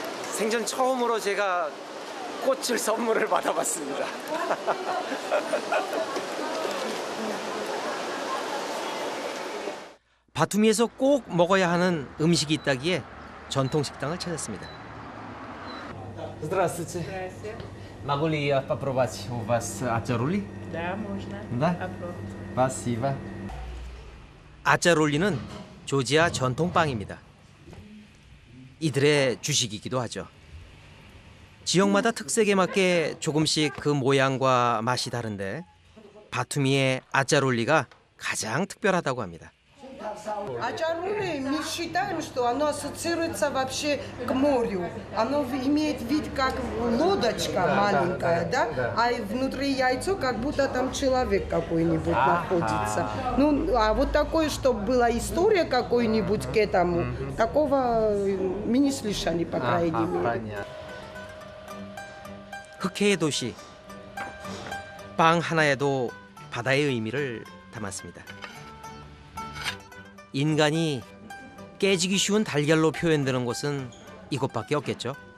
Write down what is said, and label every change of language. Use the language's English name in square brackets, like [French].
[Korean] 생전 처음으로 제가 꽃을 선물을 받아봤습니다. 바투미에서 꼭 먹어야 하는 음식이 있다기에 전통 식당을 찾았습니다. [Russian] Здравствуйте. Могу ли я попробовать у вас аджарули? Да, можно. Да? Спасибо. [Korean] 아짜롤리는 조지아 전통빵입니다. 이들의 주식이기도 하죠. 지역마다 특색에 맞게 조금씩 그 모양과 맛이 다른데 바투미의 아짜롤리가 가장 특별하다고 합니다. [Russian] 아짜롤리, мы считаем, что оно ассоциируется вообще к морю. Оно имеет вид как лодочка маленькая, да? А внутри яйцо как будто там человек какой-нибудь находится. Ну, а вот такое, чтобы была история какой-нибудь к этому, такого мы не слышали, по крайней мере. [Korean] 흑해의 도시, 빵 하나에도 바다의 의미를 담았습니다. 인간이 깨지기 쉬운 달걀로 표현되는 곳은 이곳밖에 없겠죠.